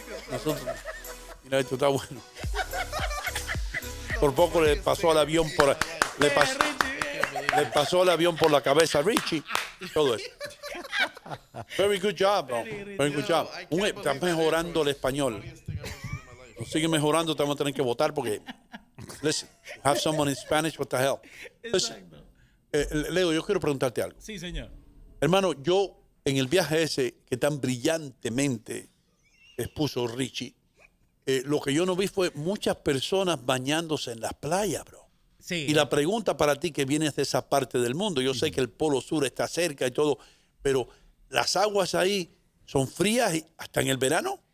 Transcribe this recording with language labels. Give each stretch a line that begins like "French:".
Spanish: Nosotros, mira, esto está bueno. Por poco le pasó al avión por le pasó al avión por la cabeza a Richie. Todo eso.
English: Very good job, bro. Very good job.
Spanish: Están mejorando el español. No sigue mejorando, estamos teniendo que votar porque.
English: Listen, have someone in Spanish, what the hell?
Spanish: Listen, Leo, yo quiero preguntarte algo. Sí, señor. Hermano, yo en el viaje ese que tan brillantemente expuso Richie, lo que yo no vi fue muchas personas bañándose en las playas, bro. Sí. Y la pregunta para ti que vienes de esa parte del mundo, yo sé que el Polo Sur está cerca y todo, pero ¿las aguas ahí son frías hasta en el verano?